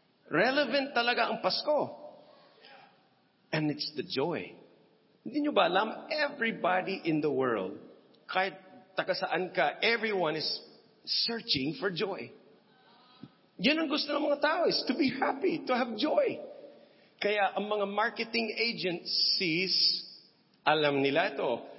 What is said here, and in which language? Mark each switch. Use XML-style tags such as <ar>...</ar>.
<tl>Relevant talaga ang Pasko.</tl> <en>And it's the joy.</en> <tl>Hindi nyo ba alam?</tl> <en>Everybody in the world,</en> <tl>kahit takasaan ka,</tl> <en>everyone is searching for joy.</en> <tl>Yan ang gusto ng mga tao,</tl> <en>is to be happy, to have joy.</en> <tl>Kaya ang mga marketing agencies, alam nila ito.</tl>